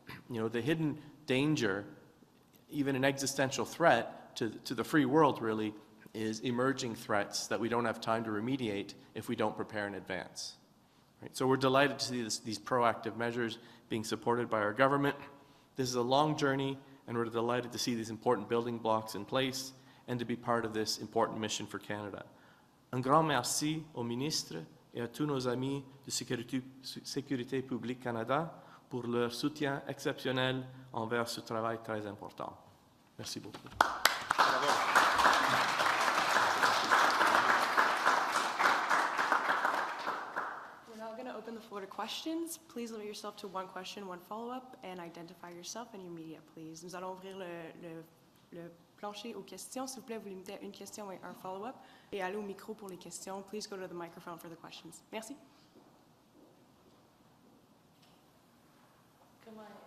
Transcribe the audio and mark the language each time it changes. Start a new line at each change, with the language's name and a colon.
English: You know, the hidden danger, even an existential threat to the free world really, is emerging threats that we don't have time to remediate if we don't prepare in advance. Right? So we're delighted to see these proactive measures being supported by our government. This is a long journey and we're delighted to see these important building blocks in place and to be part of this important mission for Canada.
French: Un grand merci au ministre et à tous nos amis de Sécurité publique Canada pour leur soutien exceptionnel envers ce travail très important. Merci beaucoup.
English: We're now going to open the floor. floor to questions. Please limit yourself to one question, one follow-up, and identify yourself and your media, please.
French: Nous allons ouvrir le plancher aux questions. S'il vous plaît, vous limitez à une question et un follow-up. Et allez au micro pour les questions.
English: Please go to the microphone for the questions.
French: Merci.
English: Come on.